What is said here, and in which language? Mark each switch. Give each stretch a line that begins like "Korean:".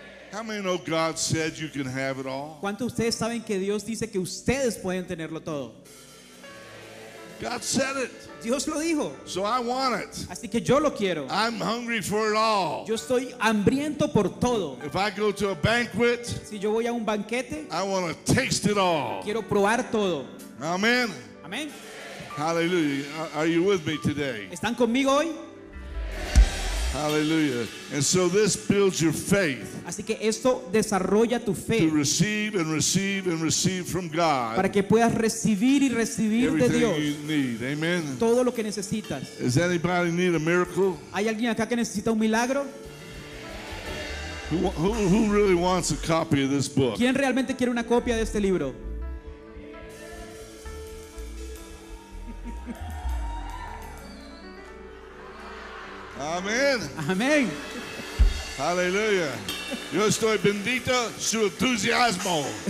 English: How many know God said you can have it all?
Spanish: ¿Cuántos de ustedes saben que Dios dice que ustedes pueden tenerlo todo?
English: God said it.
Spanish: Dios lo dijo.
English: So I want it.
Spanish: Así que yo lo quiero.
English: I'm hungry for it all.
Spanish: Yo estoy hambriento por todo.
English: If I go to a banquet,
Spanish: si yo voy a un banquete,
English: I want to taste it all.
Spanish: Quiero probar todo. Amen. Amen.
English: Hallelujah. Are you with me today?
Spanish: ¿Están conmigo hoy?
English: Hallelujah. And so this builds your faith.
Spanish: Así que esto desarrolla tu fe.
English: To receive and receive and receive from God.
Spanish: Para que puedas recibir y recibir de Dios.
English: Everything you need. Amen.
Spanish: Todo lo que necesitas.
English: Does anybody need a miracle?
Spanish: ¿Hay alguien acá que necesita un milagro?
English: Who really wants a copy of this book?
Spanish: ¿Quién realmente quiere una copia de este libro? Amén. Amén. Aleluya. Yo estoy bendito su entusiasmo.